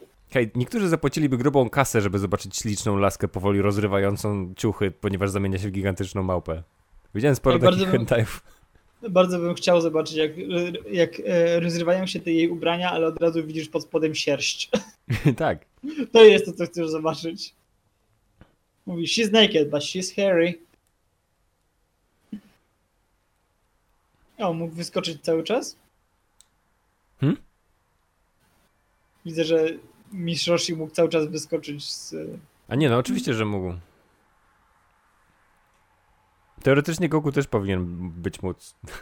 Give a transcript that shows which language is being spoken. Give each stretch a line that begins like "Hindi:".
Polish: Hej, niektórzy zapłaciliby grubą kasę, żeby zobaczyć śliczną laskę powoli rozrywającą ciuchy, ponieważ zamienia się w gigantyczną małpę. Widziałem sporo takich hentajów. Bardzo bym chciał zobaczyć, jak rozrywają się te jej ubrania, ale od razu widzisz pod spodem sierść. Tak. To jest to, co chcesz zobaczyć.
English: Mówi, she's naked, but she's hairy.
Polish: O, mógł wyskoczyć cały czas? Hmm? Widzę, że mistrz Roshi mógł cały czas wyskoczyć z... A nie, no oczywiście, że mógł. Teoretycznie Goku też powinien być móc.